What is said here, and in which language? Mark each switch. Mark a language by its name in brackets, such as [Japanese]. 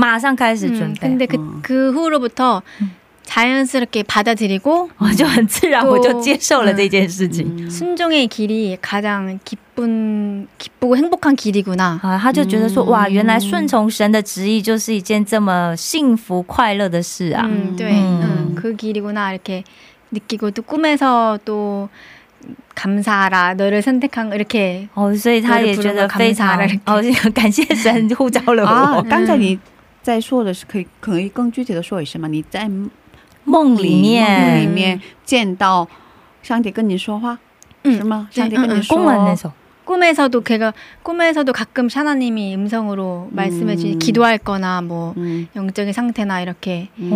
[Chinese] 就是从高中虽然就已经知道这件事情，但是就是内心比起冲突来说，就我没有办法想象我会去做这件事情。可是读到那段经文之后，真的明确，很明确的知道了，然后就开始准备，马上开始准备。 [Korean] 근데그후로부터 자연스럽게 받아들이고 [Chinese] 就很自然我就接受了这件事情。순종의 [Korean] 길이 가장 기쁘고 행복한 길이구나. [Chinese] 他就觉得说哇，原来顺从神的旨意就是一件这么幸福快乐的事啊。 [Korean] 对， 그 길이구나 이렇게 느끼고 또 꿈에서 또 감사하라 너를 선택한 이렇게. [Chinese] 所以他也觉得非常，感谢神呼召了我。刚才你在说的是可以更具体的说一下吗？你在梦里面见到上帝跟你说话是吗？上帝跟你说，꿈에서도 [Korean] 걔가 꿈에서도 가끔 하나님이 음성으로 말씀해 주시 기도할거나 뭐 영적인 상태나 이렇게.